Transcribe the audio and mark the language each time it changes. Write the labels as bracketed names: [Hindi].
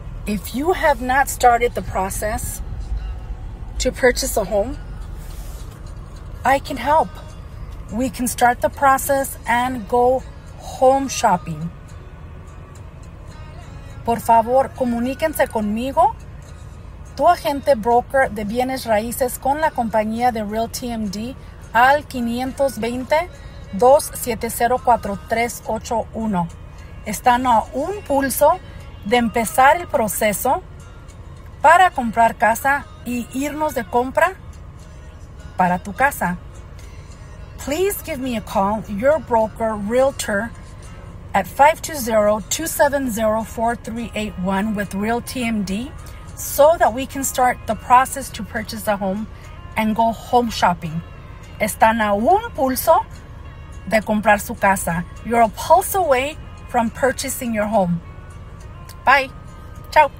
[English] If you have not started the process to purchase a home, I can help. We can start the process and go home shopping. [Spanish] Por favor, comuníquense conmigo, tu agente broker de bienes raíces con la compañía de Realty MD al 520-270-4381. Están a un pulso de empezar el proceso para comprar casa y irnos de compra para tu casa. [English] Please give me a call, your broker, realtor, at 520-270-4381 with Realty MD so that we can start the process to purchase a home and go home shopping. [Spanish] Están a un pulso de comprar su casa. [English] You're a pulse away from purchasing your home. Bye. Chao.